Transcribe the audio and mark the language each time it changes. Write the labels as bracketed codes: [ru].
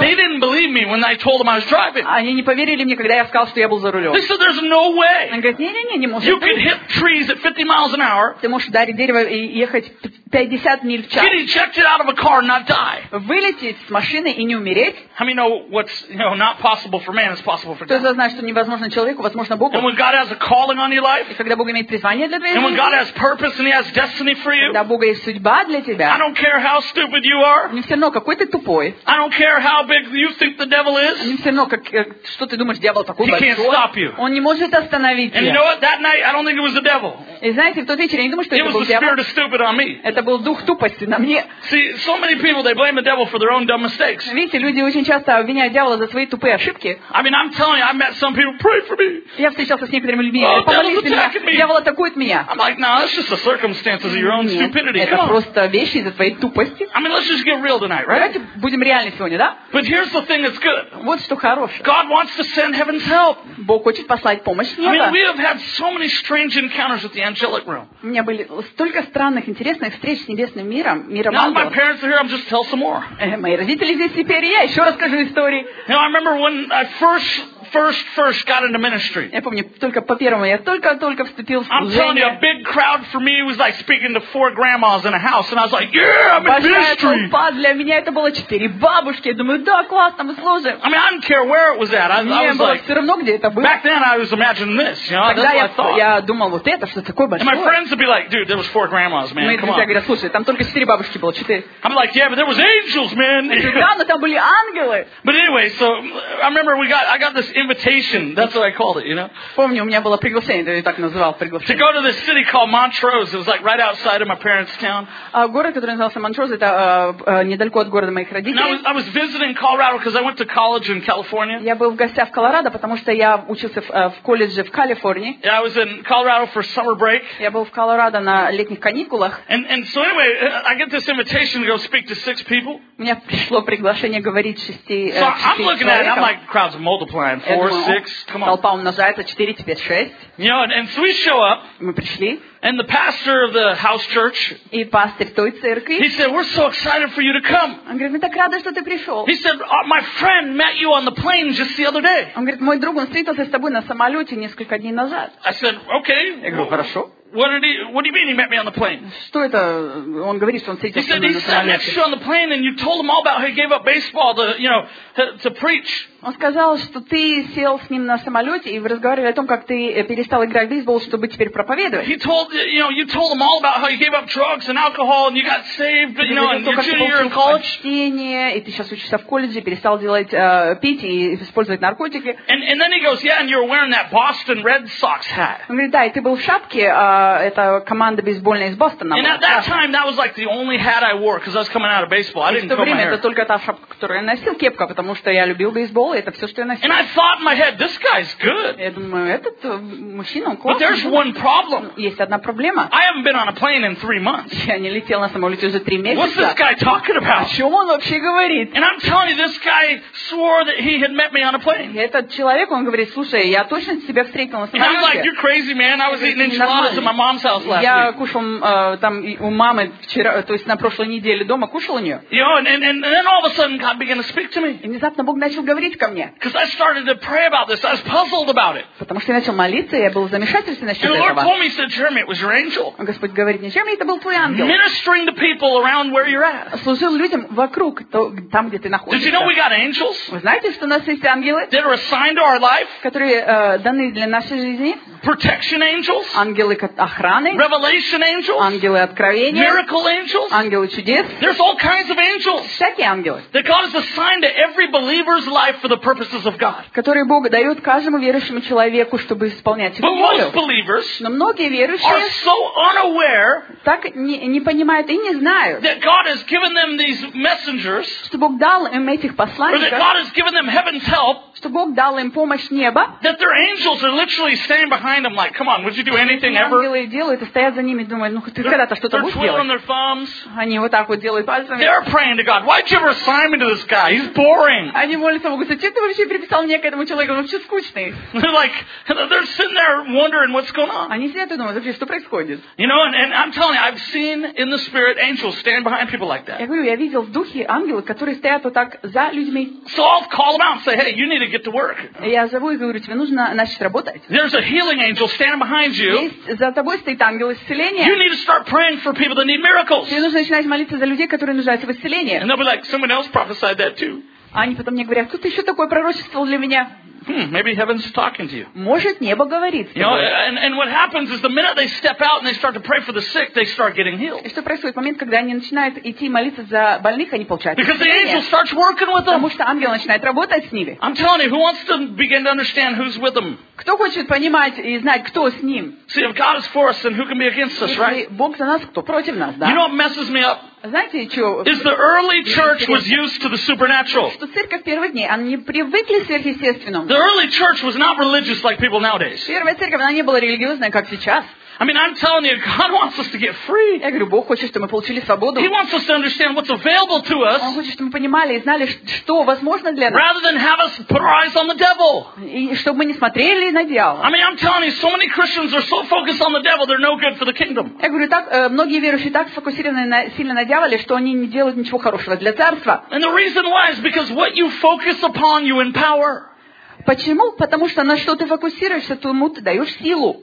[en] they didn't believe me when I told them I was driving. [ru] Они не поверили мне, когда я сказал, что я был за рулем. [en] They said, "There's no way." [ru] Они говорят, не, не может. [en] You can hit trees at 50 miles an hour. [ru] Ты можешь ударить дерево и ехать 50 миль в час. [en] Get ejected out of a car and not die. [ru] Вылететь с машины и не умереть. [en] How many know what's, you know, not possible for man is possible for God? [ru] Кто знает, что невозможно человеку, возможно Богу? [en] And when God has a calling on your life, [ru] и когда Бог имеет призвание для твоей жизни, [en] and when God has purpose and He has destiny for you, [ru] когда Бог есть судьба для тебя, [en] I don't care how stupid you are, [ru] мне все равно, какой ты тупой, [en] I don't care how big you think the devil is, [ru] мне все равно, как, что ты думаешь, дьявол такой большой, [en] He can't stop you. [ru] Он не может остановить тебя. [en] And you know what? That night, I don't think it was the devil. [ru] И знаете, в тот вечер я не думаю, что [en] it [ru] это был дьявол. [en] It was the spirit of stupid on me. [ru] Это был дух тупости на мне. [en] See, so many people, they blame the devil for their own dumb mistakes. [ru] Видите, люди очень часто обвиняют дьявола за свои тупые ошибки. [en] I mean, I'm telling you, I met some people, pray for me. [ru] Я встречался с некоторыми людьми. Помолись за меня. Дьявол атакует меня. [en] I'm like, no, that's just the circumstances of your own stupidity. [ru] Это просто вещи из-за твоей тупости. [en] I mean, let's just get real tonight, right? [ru] Давайте будем реальны сегодня, да? [en] But here's the thing that's good. [ru] Вот что хорошее. [en] God wants to send heaven's help. [ru] Бог хочет послать помощь. [en] I mean, we have had so many strange encounters with the angelic realm. [ru] У меня были столько странных, интересных встреч с небесным миром, миром ангелов. [en] Now my parents are here. I'll just tell some more. [ru] Мои родители здесь теперь, и я еще расскажу истории. [en] You know, I remember when I first got into ministry. [ru] Я помню, только по первому я только вступил в служение. [en] I'm telling you, a big crowd for me was like speaking to four grandmas in a house, and I was like, yeah, I'm in ministry. [ru] Большая толпа для меня, это было четыре бабушки. Я думаю, да, классно, мы служим. [en] I mean, I didn't care where it was at. I was like, back then I was imagining this, you know, that's what I thought. [ru] Я думал, вот это что такое большое. [en] And my friends would be like, dude, there was four grandmas, man. [ru] Мои друзья говорят, слушай, там только четыре бабушки было, четыре. [en] I'm like, yeah, but there was angels, man. [ru] Да, но там были ангелы. [en] But anyway, so I remember I got this invitation, that's what I called it, you know? [ru] Помню, у меня было приглашение, я так называл приглашение. [en] To go to this city called Montrose, it was like right outside of my parents' town. [ru] Город, который назывался Montrose, это недалеко от города моих родителей. [en] I was visiting Colorado because I went to college in California. [ru] Я был в гостях в Колорадо, потому что я учился в колледже в Калифорнии. [en] Yeah, I was in Colorado for summer break. [ru] Я был в Колорадо на летних каникулах. [en] And so anyway, I get this invitation to go speak to six people. [ru] Мне пришло приглашение говорить шести [en] I'm looking at it, I'm like, crowds multiplying. Four, six, come on. [ru] Толпа умножается, 4, теперь 6. [en] You know, and so we show up. [ru] Мы пришли. [en] And the pastor of the house church. [ru] И пастор той церкви. [en] He said, "We're so excited for you to come." [ru] Он говорит, мы так рады, что ты пришел. [en] He said, "My friend met you on the plane just the other day." [ru] Он говорит, мой друг, он встретился с тобой на самолете несколько дней назад. [en] I said, "Okay." [ru] Я говорю, хорошо. [en] What do you mean he met me on the plane? [ru] Что это? Он говорит, что он встретился со мной на самолете. [en] He said, "He sat next to you on the plane, and you told him all about how he gave up baseball to, you know, to preach." [ru] Он сказал, что ты сел с ним на самолете, и вы разговаривали о том, как ты перестал играть в бейсбол, чтобы теперь проповедовать. [en] He told, you know, you told him all about how you gave up drugs and alcohol, and you got saved, you know, and you're junior year in college. [ru] Чтение, и ты сейчас учишься в колледже, перестал делать пить и использовать наркотики. [en] And then he goes, yeah, and you're wearing that Boston Red Sox hat. [ru] Он говорит, да, и ты был в шапке, это команда бейсбольная из Бостона. [en] And at that time, that was like the only hat I wore because I was coming out of baseball. I didn't comb my hair. [ru] Это только та шапка, которую я носил, кепка, потому что я любил бейсбол. Это все, что я носил. [en] And I thought in my head, this guy's good. [ru] Я думаю, этот мужчина, он классный. [en] But there's one problem. [ru] Есть одна проблема. [en] I haven't been on a plane in 3 months. [ru] Я не летел на самолете уже 3 месяца. [en] What's this guy talking about? [ru] О чем он вообще говорит? [en] And I'm telling you, this guy swore that he had met me on a plane. [ru] Этот человек, он говорит, слушай, я точно тебя встретил на самолете. [en] And I'm like, you're crazy, man. I was eating enchiladas at my mom's house last week. [ru] Я кушал там у мамы вчера, то есть на прошлой неделе дома кушал у нее. [en] You know, and then all of a sudden God began to speak to me. [ru] И внезапно Бог начал говорить. [en] Because I started to pray about this, I was puzzled about it. [ru] Потому что я начал молиться, я был в замешательстве насчет этого. [en] And the Lord told me, said, "Jeremy, it was your angel." [ru] Господь говорит мне, Джереми, это был твой ангел. [en] Ministering to people around where you're at. [ru] Служил людям вокруг, там где ты находишься. [en] Did you know we got angels? [ru] Вы знаете, что у нас есть ангелы? [en] That are assigned to our life. [ru] Которые даны для нашей жизни. [en] Protection angels. [ru] Ангелы охраны. [en] Revelation angels. [ru] Ангелы откровения. [en] Miracle angels. [ru] Ангелы чудес. [en] There's all kinds of angels. [ru] Всякие ангелы. [en] That God has assigned to every believer's life. For the purposes of God. [ru] Который Бог дает каждому верующему человеку, чтобы исполнять его волю. Но многие верующие [en] so unaware, [ru] так не понимают и не знают, [en] that God has given them these messengers, [ru] что Бог дал им этих посланников, [en] or that God has given them heaven's help, [ru] что Бог дал им помощь неба, [en] that their angels are literally standing behind them like, come on, would you do anything ever? [ru] Ангелы делают и стоят за ними, думают, ну ты когда-то что-то будешь делать? [en] Their thumbs. [ru] Они вот так вот делают пальцами. [en] They're praying to God. Why did you ever assign me to this guy? He's boring. [ru] Они молятся Богу, зачем ты вообще приписал мне к этому человеку? Он вообще скучный. [en] They're like, they're sitting there wondering what's going on. [ru] Они сидят и думают, вообще что происходит? [en] You know, and I'm telling you, I've seen in the spirit angels stand behind people like that. [ru] Я говорю, я видел в духе ангелы, которые стоят вот так за людьми. [en] So I'll call them out and say, hey, you need to get to work. [ru] Я зову и говорю, тебе нужно начать работать. [en] There's a healing angel standing behind you. [ru] Есть, за тобой стоит ангел исцеления. [en] You need to start praying for people that need miracles. [ru] Тебе нужно начинать молиться за людей, которые нуждаются в исцелении. [en] And they'll be like, someone else prophesied that too. [ru] Они потом мне говорят, кто-то еще такое пророчествовал для меня. [en] Maybe heaven's talking to you. [ru] Может, небо говорит. [en] You know, and what happens is the minute they step out and they start to pray for the sick, they start getting healed. [ru] И что происходит в момент, когда они начинают идти молиться за больных, они получают исцеление. [en] Because the angel starts working with them. [ru] Потому что ангел начинает работать с ними. [en] I'm telling you, who wants to begin to understand who's with them? [ru] Кто хочет понимать и знать, кто с ним? [en] See, if God is for us, then who can be against us, right? [ru] Если Бог за нас, кто против нас, да? [en] You know what messes me up? [ru] Знаете, что? [en] Is the early church was used to the supernatural. [ru] Что церковь первых дней, они привыкли к сверхъестественному. [en] The early church was not religious like people nowadays. [ru] Первая церковь, она не была религиозной, как сейчас. [en] I mean, I'm telling you, God wants us to get free. [ru] Я говорю, Бог хочет, чтобы мы получили свободу. [en] He wants us to understand what's available to us. [ru] Он хочет, чтобы мы понимали и знали, что возможно для нас. [en] Rather than have us put our eyes on the devil. [ru] И чтобы мы не смотрели на дьявола. [en] I mean, I'm telling you, so many Christians are so focused on the devil, they're no good for the kingdom. [ru] Я говорю, так многие верующие так сфокусированы сильно на дьяволе, что они не делают ничего хорошего для царства. [en] And the reason why is because what you focus upon, you empower. [ru] Почему? Потому что на что ты фокусируешься, тому ты даешь силу.